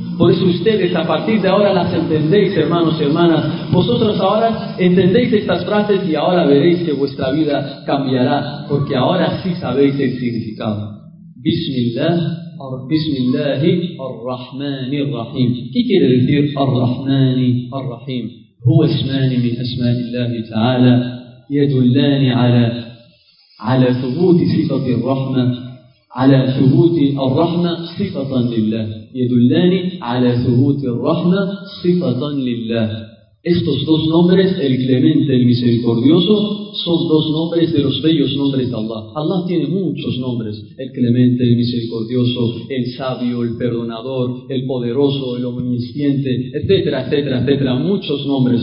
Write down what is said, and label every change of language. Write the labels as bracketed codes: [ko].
[es] Por eso ustedes, a partir de ahora, las entendéis, hermanos y hermanas. Vosotros ahora entendéis estas frases y ahora veréis que vuestra vida cambiará, porque ahora sí sabéis el significado. Bismillah, Bismillahi ar-Rahmani ar-Rahim. ¿Qué quiere decir ar-Rahmani ar-Rahim? [ar] هو اسمان من اسماء الله تعالى يدلان على ثبوت صفة الرحمة على ثبوت الرحمة صفة لله يدلان على ثبوت الرحمة صفة لله. [es] Estos dos nombres, el clemente, el misericordioso, son dos nombres de los bellos nombres de Allah. Allah tiene muchos nombres. El clemente, el misericordioso, el sabio, el perdonador, el poderoso, el omnisciente, etcétera, etcétera, etcétera. Muchos nombres.